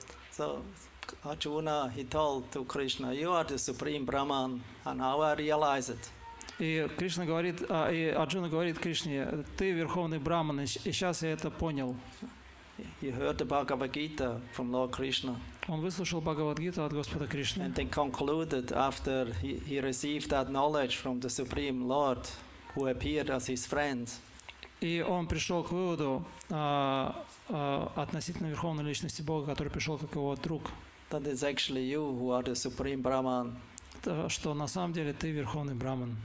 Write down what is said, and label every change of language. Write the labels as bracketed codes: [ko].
[en] So Arjuna, he told to Krishna, "You are the supreme Brahman, and how I realize it?" [ru] И Кришна говорит, и Арджуна говорит Кришне, "Ты верховный Брахман, и сейчас я это понял." [en] He heard the Bhagavad Gita from Lord Krishna. [ru] Он выслушал Бхагавад-гиту от Господа Кришны. [en] And then concluded after he received that knowledge from the Supreme Lord, who appeared as his friend. [ru] И он пришел к выводу относительно верховной личности Бога, который пришел как его друг. [en] That it's actually you who are the Supreme Brahman. [ru] Что на самом деле ты верховный Брахман.